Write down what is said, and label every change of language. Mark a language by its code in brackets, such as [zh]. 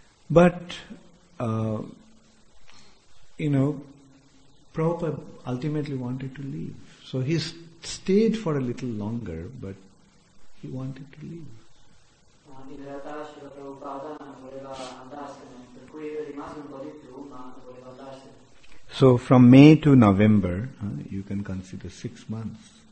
[en] But, Prabhupada ultimately wanted to leave. So he stayed for a little longer, but He wanted to leave. [it] In realtà Srila Prabhupada voleva andarsene, per cui è rimasto un po' di più, ma voleva andarsene. [en] So from May to November, you can consider 6 months.